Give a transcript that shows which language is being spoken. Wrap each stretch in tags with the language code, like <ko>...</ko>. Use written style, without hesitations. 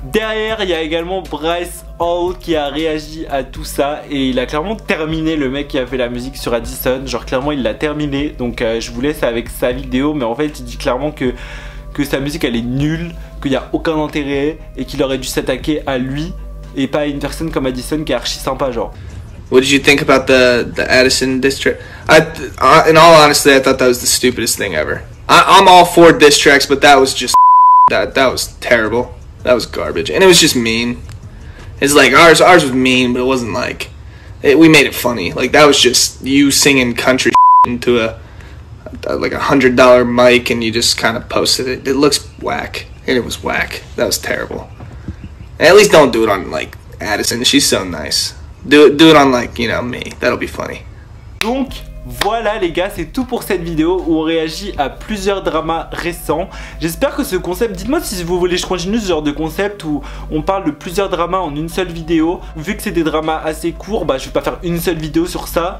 <fr>Derrière, il y a également Bryce Hall qui a réagi à tout ça et il a clairement terminé le mec qui a fait la musique sur Addison. Genre clairement, il l'a terminé. Donc je vous laisse avec sa vidéo, mais en fait, il dit clairement que sa musique elle est nulle, qu'il n'y a aucun intérêt et qu'il aurait dû s'attaquer à lui et pas à une personne comme Addison qui est archi sympa, genre.</fr> <en>What did you think about the Addison diss track? In all honesty, I thought that was the stupidest thing ever. I'm all for diss tracks, but that was just that was terrible. That was garbage, and it was just mean. It's like ours was mean, but it wasn't like it, we made it funny. Like that was just you singing country into a $100 mic, and you just kind of posted it. It looks whack, and it was whack. That was terrible. And at least don't do it on like Addison. She's so nice. Do it on like, you know, me. That'll be funny.</en> <fr>Donc, voilà les gars, c'est tout pour cette vidéo où on réagit à plusieurs dramas récents. J'espère que ce concept, dites-moi si vous voulez que je continue ce genre de concept où on parle de plusieurs dramas en une seule vidéo. Vu que c'est des dramas assez courts, bah je vais pas faire une seule vidéo sur ça.</fr>